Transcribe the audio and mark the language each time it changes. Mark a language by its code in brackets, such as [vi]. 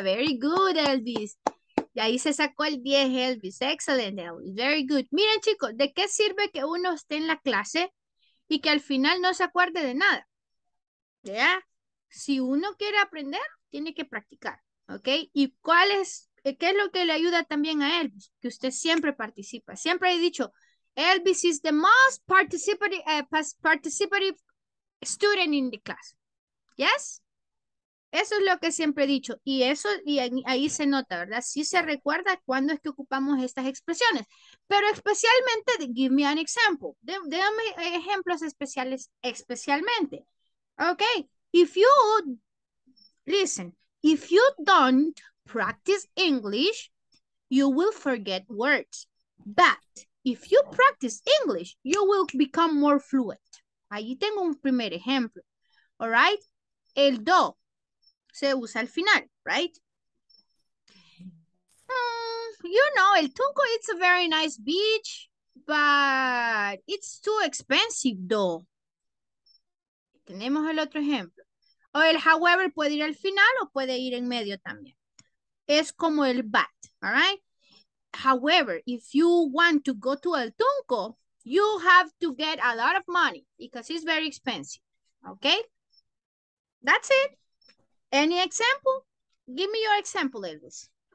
[en] Very good, [es] Elvis. Y ahí se sacó el 10, Elvis. Excelente, Elvis. Very good. Miren, chicos, ¿de qué sirve que uno esté en la clase y que al final no se acuerde de nada? ¿Ya? Si uno quiere aprender, tiene que practicar. ¿Ok? ¿Y qué es lo que le ayuda también a Elvis? Que usted siempre participa. Siempre he dicho, [en] Elvis is the most participative student in the class. [es] ¿Yes? Eso es lo que siempre he dicho. Y eso, y ahí se nota, ¿verdad? Sí se recuerda cuándo es que ocupamos estas expresiones. Pero especialmente, [en] give me an example. [es] Déjame ejemplos especiales, especialmente. Ok. [en] If you don't practice English, you will forget words. But if you practice English, you will become more fluent. [es] Ahí tengo un primer ejemplo. All right. El do. Se usa al final, right? [en] you know, El Tunco, it's a very nice beach, but it's too expensive, though. [es] Tenemos el otro ejemplo. O el however puede ir al final o puede ir en medio también. Es como el but, all right? [en] However, if you want to go to El Tunco, you have to get a lot of money because it's very expensive, okay? That's it. Any example? Give me your example, Elvis.